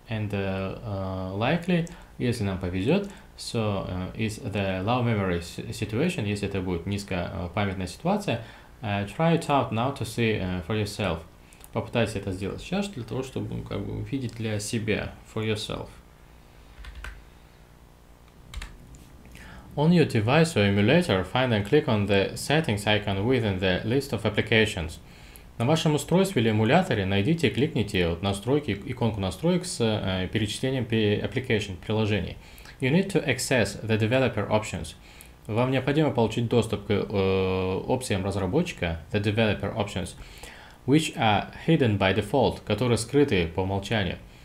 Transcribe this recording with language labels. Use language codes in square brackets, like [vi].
[en] And likely, [ru] если нам повезет, [en] so is the low memory situation, [ru] если это будет низкопамятная ситуация, [en] try it out now to see for yourself. [ru] Попытайся это сделать сейчас для того, чтобы как бы увидеть для себя [en] for yourself. On your device or emulator, find and click on the settings icon within the list of applications. [ru] На вашем устройстве или эмуляторе найдите и кликните вот настройки, иконку настроек с перечислением application, приложений. [en] You need to access the developer options. [ru] Вам необходимо получить доступ к опциям разработчика, [en] the developer options, which are hidden by default, [ru] которые скрыты по умолчанию.